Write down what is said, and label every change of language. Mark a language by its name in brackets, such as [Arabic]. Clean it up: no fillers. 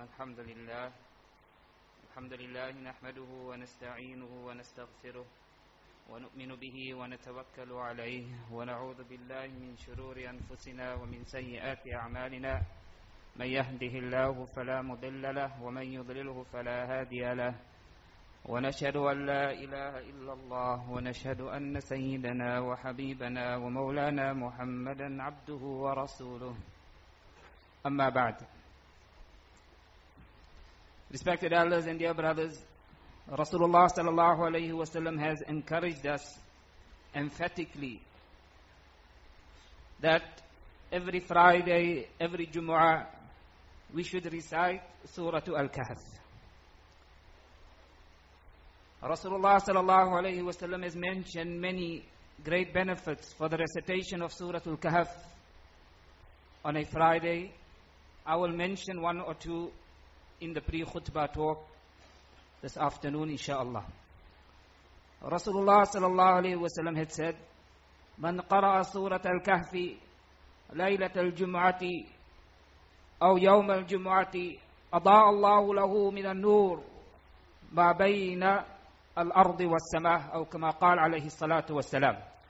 [Arabic] الحمد لله نحمده ونستعينه ونستغفره ونؤمن به ونتوكل عليه ونعوذ بالله من شرور أنفسنا ومن سيئات أعمالنا، من يهده الله فلا مضل له ومن يضلله فلا هادي له، ونشهد أن لا إله إلا الله ونشهد أن سيدنا وحبيبنا ومولانا محمدا عبده ورسوله، أما بعد. [English] Respected elders and dear brothers, Rasulullah sallallahu alayhi wa sallam has encouraged us emphatically that every Friday, every Jumu'ah, we should recite Surah Al-Kahf. Rasulullah sallallahu alayhi wa sallam has mentioned many great benefits for the recitation of Surah Al-Kahf on a Friday. I will mention one or two in the pre-khutbah talk this afternoon, insha'Allah. [Arabic] Rasulullah sallallahu alayhi wa sallam [English] had said, [Arabic] من قرأ سورة الكهف ليلة الجمعة أو يوم الجمعة أضاء الله له من النور ما بين الأرض والسماء، أو كما قال عليه الصلاة والسلام.